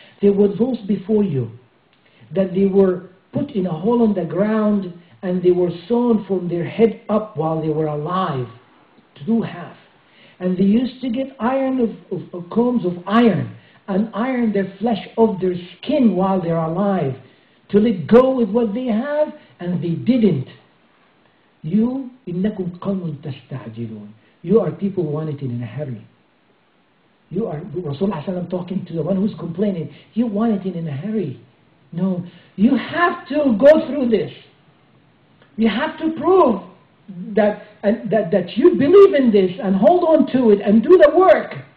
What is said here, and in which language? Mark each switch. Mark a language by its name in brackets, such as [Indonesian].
[English] There were those before you that they were put in a hole on the ground and they were sewn from their head up while they were alive, two half. And they used to get iron of combs of iron and iron their flesh off their skin while they're alive to let go with what they have, and they didn't. [Arabic] You, إِنَّكُمْ قَوْمٌ تَسْتَعْجِلُونَ. [English] You are people who want it in a hurry. You are, Rasulullah ﷺ talking to the one who's complaining, you want it in a hurry. No, you have to go through this. You have to prove that you believe in this and hold on to it and do the work.